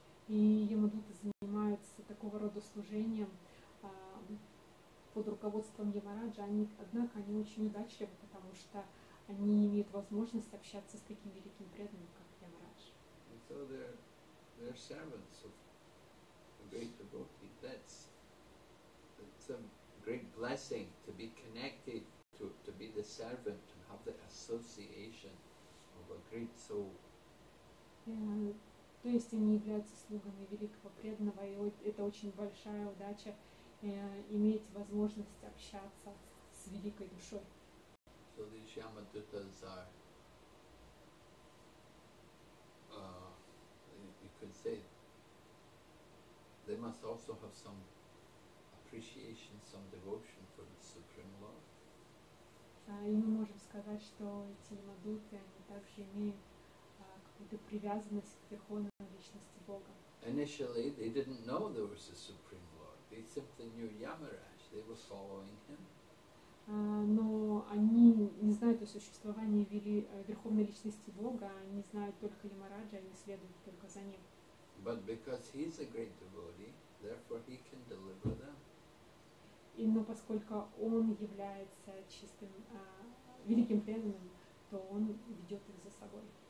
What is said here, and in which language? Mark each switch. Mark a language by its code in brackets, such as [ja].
[ru] И ямадуты занимаются такого рода служением под руководством Ямараджа, однако они очень удачливы, потому что они имеют возможность общаться с таким великим преданным, как Ямарадж. [en] So they're servants of a great devotee. That's a great blessing to be connected to be the servant and have the association of a great soul. [ru] То есть они являются слугами великого преданного, и это очень большая удача иметь возможность общаться с великой душой. [en] So these Yamadutas are, you could say, they must also have some appreciation, some devotion for the Supreme Lord. [ru] И мы можем сказать, что эти Ямадуты, они также имеют какую-то привязанность к верховной личности Бога. [en] Initially, they didn't know there was a Supreme Lord. They simply knew Yamaraj. They were following him. [ru] Но они не знают о существовании верховной личности Бога. Они знают только Ямараджа, они следуют только за ним. [en] But because he is a great devotee, therefore he can deliver them. [ru] И но поскольку он является чистым великим преданным, то он ведет их за собой.